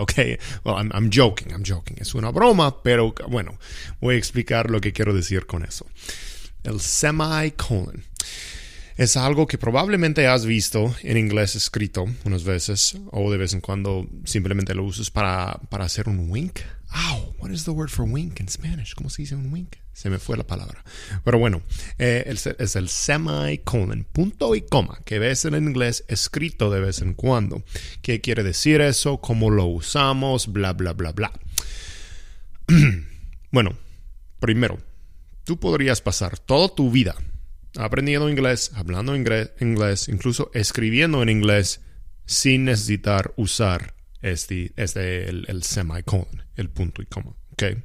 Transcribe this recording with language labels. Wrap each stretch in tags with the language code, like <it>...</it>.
<en>Okay, well, I'm joking.</en> <es>Es una broma, pero bueno, voy a explicar lo que quiero decir con eso. El semicolon es algo que probablemente has visto en inglés escrito unas veces, o de vez en cuando simplemente lo usas para hacer un wink.</es> <en>Ow, what is the word for wink in Spanish?</en> <es>¿Cómo se dice un wink? Se me fue la palabra. Pero bueno, es el semicolon, punto y coma, que ves en inglés escrito de vez en cuando. ¿Qué quiere decir eso? ¿Cómo lo usamos? Bla, bla, bla, bla. Bueno, primero, tú podrías pasar toda tu vida aprendiendo inglés, hablando inglés, incluso escribiendo en inglés sin necesitar usar el semicolon, el punto y coma, ¿ok?</es>